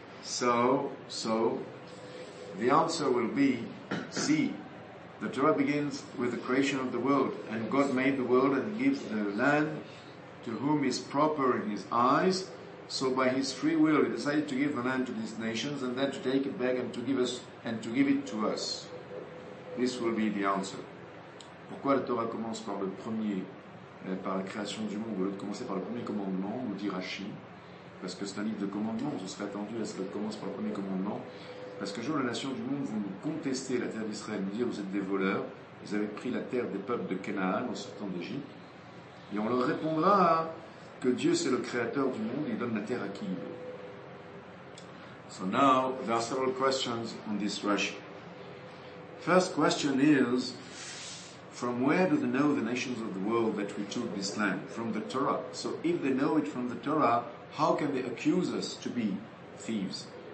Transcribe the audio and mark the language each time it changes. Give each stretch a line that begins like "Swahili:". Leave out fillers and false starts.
English: So the answer will be, see, the Torah begins with the creation of the world, and God made the world and gives the land to whom is proper in his eyes. So by his free will, he decided to give the land to these nations and then to take it back and to give it to us. This will be the answer.
French: Pourquoi la Torah commence par le premier, par la création du monde, au lieu de commencer par le premier commandement, nous dit Rashi. Parce que c'est un livre de commandements, on se serait attendu à ce qu'elle commence par le premier commandement. Parce que jour, les nations du monde vont nous contester la terre d'Israël, nous dire vous êtes des voleurs, vous avez pris la terre des peuples de Canaan en sortant d'Égypte. Et on leur répondra que Dieu c'est le créateur du monde, il donne la terre à qui il veut.
English: So now, there are several questions on this Rashi. First question is, from where do they know the nations of the world that we took this land? From the Torah. So if they know it from the Torah, how can they accuse us to be thieves?